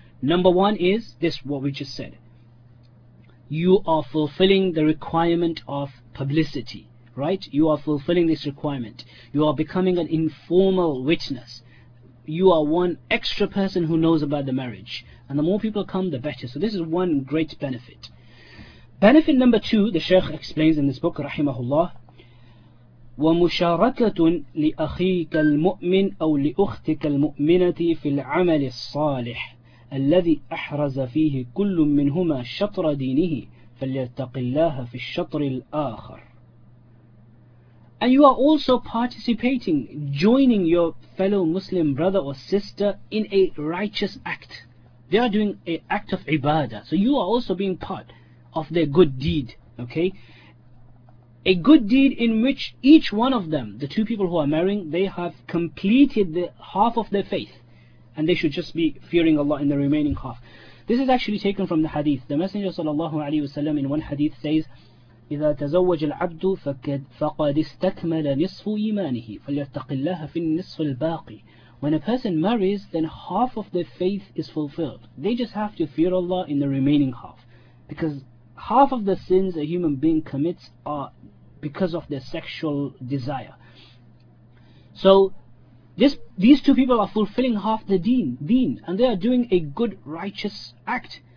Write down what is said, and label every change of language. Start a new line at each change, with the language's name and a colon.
English: Number one is this, what we just said. You are fulfilling the requirement of publicity, right? You are fulfilling this requirement. You are becoming an informal witness. You are one extra person who knows about the marriage. And the more people come, the better. So this is one great benefit. Benefit number two, the Shaykh explains in this book,
Arabic: rahimahullah, وَمُشَارَكَةٌ لِأَخِيكَ الْمُؤْمِنِ أَوْ لِأُخْتِكَ الْمُؤْمِنَةِ فِي الْعَمَلِ الصَّالِحِ الَّذِي أَحْرَزَ فِيهِ كُلٌّ مِّنْهُمَا شَطْرَ دِينِهِ فَلْيَتَّقِ اللَّهَ فِي الشَّطْرِ الْآخَرِ.
English: And you are also participating, joining your fellow Muslim brother or sister in a righteous act. They are doing an act of ibadah. So you are also being part of their good deed, okay? A good deed in which each one of them, the two people who are marrying, they have completed the half of their faith. And they should just be fearing Allah in the remaining half. This is actually taken from the hadith. The Messenger sallallahu alayhi wa sallam in one hadith says,
Arabic: إِذَا تَزَوَّجَ الْعَبْدُ فَقَدْ إِسْتَكْمَلَ نِصْفُ إِيمَانِهِ فَلْيَتَّقِ اللَّهَ فِي النِّصْفِ الْبَاقِي
English: When a person marries, then half of their faith is fulfilled. They just have to fear Allah in the remaining half. Because half of the sins a human being commits are because of their sexual desire. So these two people are fulfilling half the deen, and they are doing a good righteous act.